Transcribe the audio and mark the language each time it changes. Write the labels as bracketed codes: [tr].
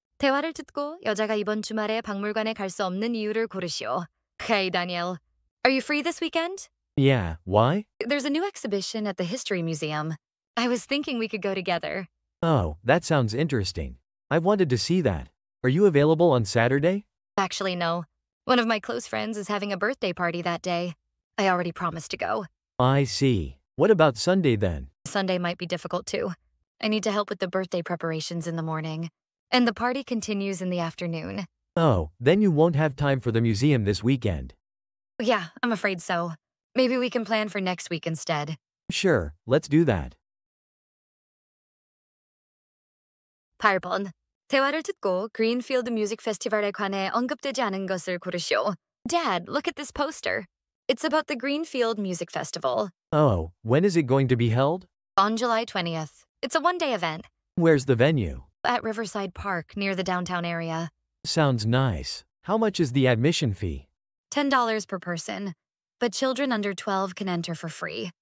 [ko] 대화를 듣고 여자가 이번 주말에 박물관에 갈 수 없는 이유를 고르시오. [en] 오케이, 다니엘. Are you free this weekend? Yeah, why? There's a new exhibition at the History Museum. I was thinking we could go together. Oh, that sounds interesting. I've wanted to see that. Are you available on Saturday? Actually, no. One of my close friends is having a birthday party that day. I already promised to go. I see. What about Sunday then? Sunday might be difficult too. I need to help with the birthday preparations in the morning. And the party continues in the afternoon. Oh, then you won't have time for the museum this weekend. Yeah, I'm afraid so. Maybe we can plan for next week instead. Sure, let's do that. [ko] 8번. 대화를 듣고 그린필드 뮤직 페스티벌에 관해 언급되지 않은 것을 고르시오. [en] Dad, look at this poster. It's about the Greenfield Music Festival. Oh, when is it going to be held? On July 20th. It's a one-day event. Where's the venue? At Riverside Park, near the downtown area. Sounds nice. How much is the admission fee? $10 per person. But children under 12 can enter for free.